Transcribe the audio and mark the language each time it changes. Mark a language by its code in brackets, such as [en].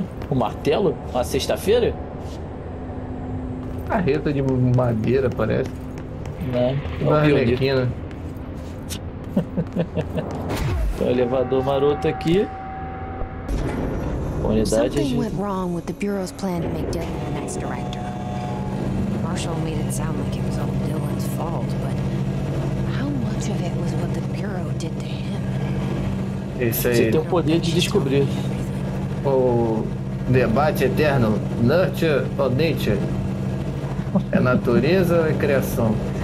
[pt] Um martelo? Uma sexta-feira? Carreta de madeira, parece. Né? Uma arlequina. Tem um elevador maroto aqui. Unidade de... [en] went wrong with the bureau's plan to make Dylan the next director. Marshall made it sound like it was all Dylan's fault, but how much of it was what the bureau did to him? [pt] Esse aí. Você tem o poder de descobrir. O debate eterno, [en] nurture or nature? [pt] É natureza ou é criação?